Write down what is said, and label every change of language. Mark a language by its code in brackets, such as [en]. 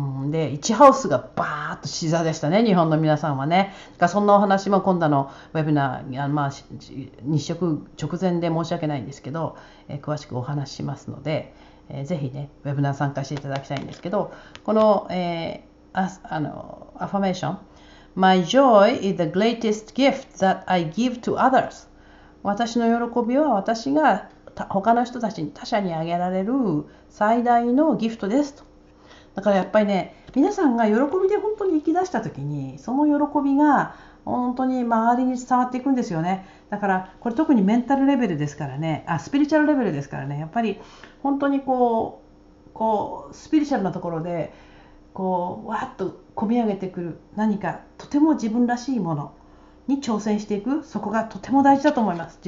[ja] で、1ハウスがバーッと獅子座でしたね、日本の皆さんはね。だからそんなお話も今度のウェビナー、日食直前で申し訳ないんですけど、詳しくお話しますので、ぜひね、ウェビナー参加していただきたいんですけど、この、アファメーション、 [en] My joy is the greatest gift that I give to others. [ja] 私の喜びは私が他の人たちに、他者にあげられる最大のギフトですと。だからやっぱりね、皆さんが喜びで本当に生き出した時に、その喜びが本当に周りに伝わっていくんですよね。だからこれ特にメンタルレベルですからね、あ、スピリチュアルレベルですからね、やっぱり本当にこうスピリチュアルなところでこうわーっと込み上げてくる何か、とても自分らしいものに挑戦していく、そこがとても大事だと思います。